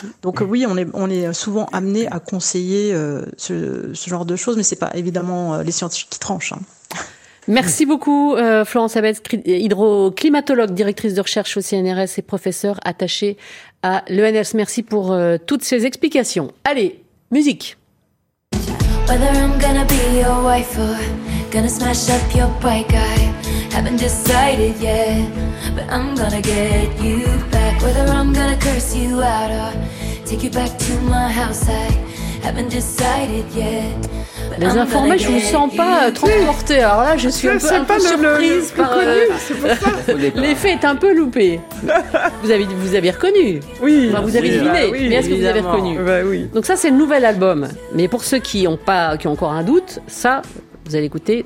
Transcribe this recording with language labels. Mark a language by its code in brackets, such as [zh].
[fr] Donc oui, on est souvent amené à conseiller ce genre de choses, mais c'est pas évidemment les scientifiques qui tranchent. Hein. Merci beaucoup Florence Abetz, hydroclimatologue, directrice de recherche au CNRS et professeure attachée à l'ENS. Merci pour toutes ces explications. Allez, musique. [en] Whether I'm gonna be your wife or gonna smash up your bike, I haven't decided yet, but I'm gonna get you back. Whether I'm gonna curse you out or take you back to my house, I haven't decided yet. [fr] Les informés, je vous sens pas transporté. Alors là, je suis un peu surprise par connu, c'est pour ça. L'effet est un peu loupé. Vous avez reconnu. Oui. Enfin, vous avez deviné. Bah, oui, mais est-ce que vous avez reconnu? Bah, oui. Donc ça, c'est le nouvel album. Mais pour ceux qui ont encore un doute, ça, vous allez écouter.